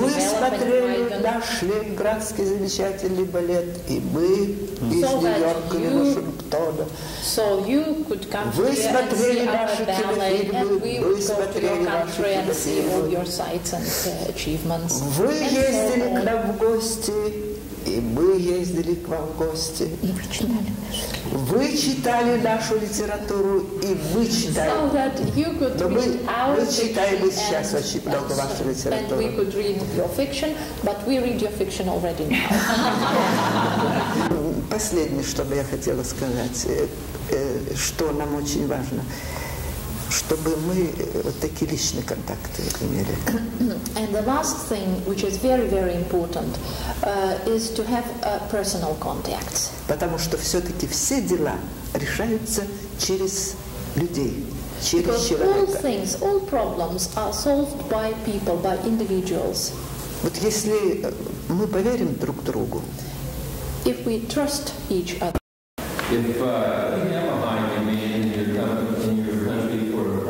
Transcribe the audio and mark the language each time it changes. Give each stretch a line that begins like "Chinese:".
Russian: Чтобы вы смотрели наш ленинградский замечательный балет, и мы из Нью-Йорка, и Вашингтона.
English: So you could come here and see our ballet, and we would go to your country and see all your sights and achievements.
Russian: Вы ездили к нам в гости, и мы ездили к вам в гости. Вы читали нашу литературу, и вы читали. Мы читаем сейчас очень много вашей литературы.
English: And we could read your fiction, but we read your fiction already now.
Russian: Последнее, что бы я хотела сказать, что нам очень важно, чтобы мы вот такие личные контакты имели.
English: And the last thing, which is very, very important, is to have personal contacts.
Russian: Потому что все-таки все дела решаются через людей, через
English: Because
Russian: человека.
English: All things, all problems are solved by people, by individuals.
Russian: Вот если мы поверим друг другу.
English: If we trust each other. If you have a high demand in your country for